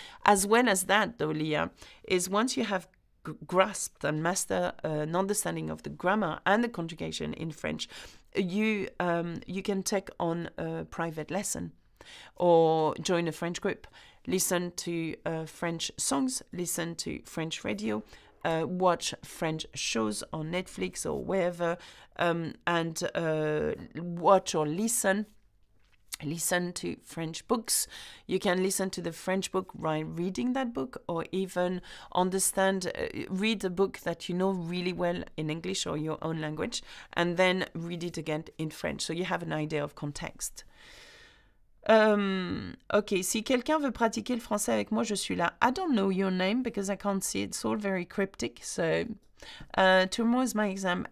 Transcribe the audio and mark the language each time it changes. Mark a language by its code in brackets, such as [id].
[en] As well as that, though, Leah, is once you have grasped and mastered an understanding of the grammar and the conjugation in French, you can take on a private lesson or join a French group, listen to French songs, listen to French radio, watch French shows on Netflix or wherever, and watch or listen to French books. You can listen to the French book while reading that book, or even understand, read a book that you know really well in English or your own language, and then read it again in French. So you have an idea of context. [fr] Okay, si quelqu'un veut pratiquer le français avec moi, je suis là. [en] I don't know your name because I can't see it. It's all very cryptic. So, tomorrow is my exam.